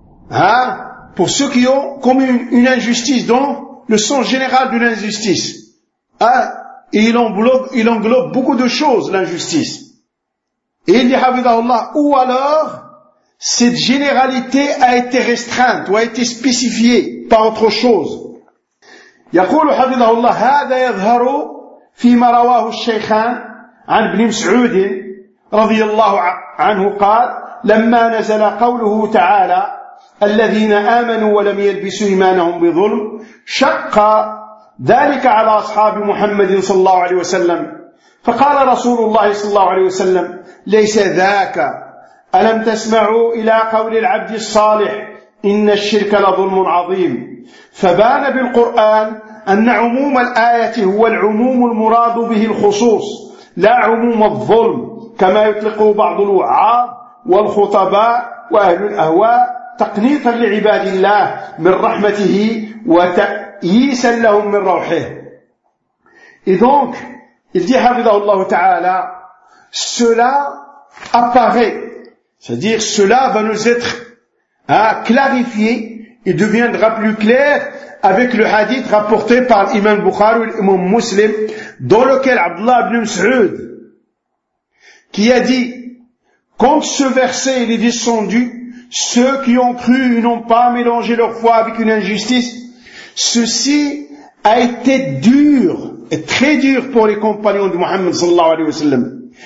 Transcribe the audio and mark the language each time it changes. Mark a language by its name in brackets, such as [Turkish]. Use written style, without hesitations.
[French] Hein? Pour ceux qui ont commis une injustice dans le sens général de l'injustice. Hein? Et il englobe beaucoup de choses, l'injustice. Et il dit, ou alors cette généralité a été restreinte ou a été spécifiée par autre chose. [Arabic] يقول حفظه الله هذا يظهر فيما رواه الشيخان عن ابن مسعود رضي الله عنه قال لما نزل قوله تعالى الذين آمنوا ولم يلبسوا إيمانهم بظلم شق ذلك على أصحاب محمد صلى الله عليه وسلم، فقال رسول الله صلى الله عليه وسلم ليس ذاك، ألم تسمعوا إلى قول العبد الصالح إن الشرك لظلم عظيم. فبان بالقرآن أن عموم الآية هو العموم المراد به الخصوص لا عموم الظلم كما يطلقه بعض الوعاظ والخطباء وأهل الأهواء تقنيطا لعباد الله من رحمته وتأييسا لهم من روحه. إذنك إذن حفظه الله تعالى [French] cela apparaît, c'est-à-dire cela va nous être clarifié il deviendra plus clair avec le hadith rapporté par l'imam Bukhari ou l'imam Muslim, dans lequel Abdullah ibn Mas'ud, qui a dit, quand ce verset est descendu, ceux qui ont cru n'ont pas mélangé leur foi avec une injustice, ceci a été dur, et très dur pour les compagnons de Muhammad sallallahu alayhi wa sallam.